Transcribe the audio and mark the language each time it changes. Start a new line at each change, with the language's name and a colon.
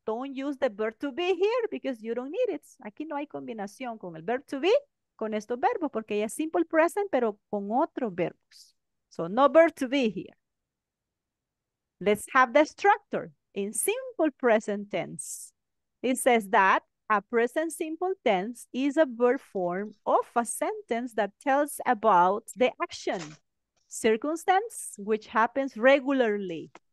English: Don't use the verb to be here because you don't need it.
Spanish: Aquí no hay combinación con el verb to be, con estos verbos, porque es simple present, pero con otros verbos.
English: So no verb to be here. Let's have the structure. In simple present tense, it says that a present simple tense is a verb form of a sentence that tells about the action, circumstance, which happens regularly.